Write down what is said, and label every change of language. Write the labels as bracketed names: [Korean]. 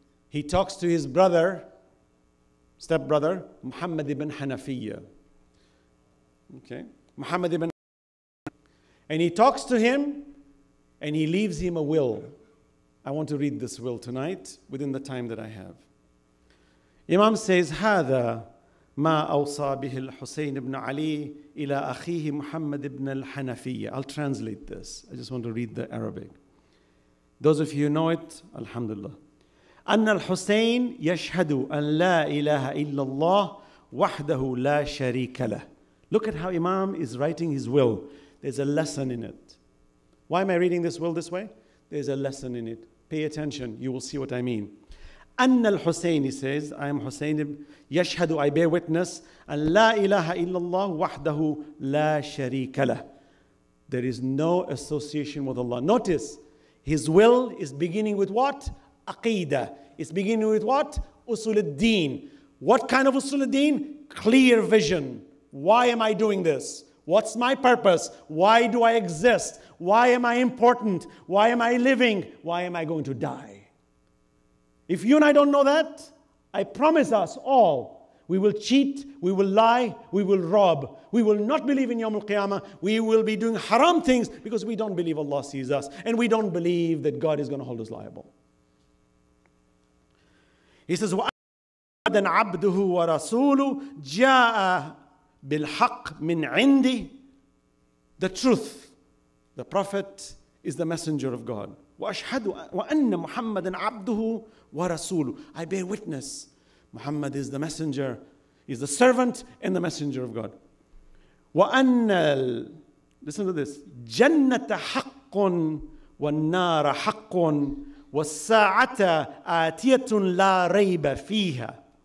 [English] He talks to his brother, stepbrother, Muhammad ibn Hanafiyya. Okay? Muhammad ibn Hanafiyya. And he talks to him and he leaves him a will. I want to read this will tonight within the time that I have. Imam says, [Arabic] هذا ما أوصى به الحسين بن علي إلى أخيه محمد بن الحنفية. [English] I'll translate this. I just want to read the Arabic. Those of you who know it, alhamdulillah. [Arabic] أن الحسين يشهد أن لا إله إلا الله وحده لا شريك له. [English] Look at how Imam is writing his will. There's a lesson in it. Why am I reading this will this way? There's a lesson in it. Pay attention. You will see what I mean. [Arabic] أن الحسين, [English] he says, I am Hussein, [Arabic] يشهد, [English] I bear witness, [Arabic] أن لا إله إلا الله وحده لا شريك له. [English] There is no association with Allah. Notice, his will is beginning with what? Aqeeda. It's beginning with what? Usul al-Din. What kind of Usul al-Din? Clear vision. Why am I doing this? What's my purpose? Why do I exist? Why am I important? Why am I living? Why am I going to die? If you and I don't know that, I promise us all, we will cheat, we will lie, we will rob. We will not believe in Yawm al-Qiyamah. We will be doing haram things because we don't believe Allah sees us. And we don't believe that God is going to hold us liable. He says, [Arabic] وَأَنْ عَبْدُهُ وَرَسُولُهُ جَاءَ بِالْحَقِّ مِنْ عِنْدِي. [English] The truth, the Prophet is the messenger of God. [Arabic] وَأَشْحَدُ وَأَنَّ مُحَمَّدًا عَبْدُهُ وَرَسُولُ. [English] I bear witness. Muhammad is the messenger, is the servant and the messenger of God. [Arabic] وَأَنَّ, [English] listen to this, [Arabic] جَنَّةَ حَقٌ وَالنَّارَ حَقٌ وَالسَّاعَةَ آتِيَةٌ لَا رَيْبَ فِيهَا.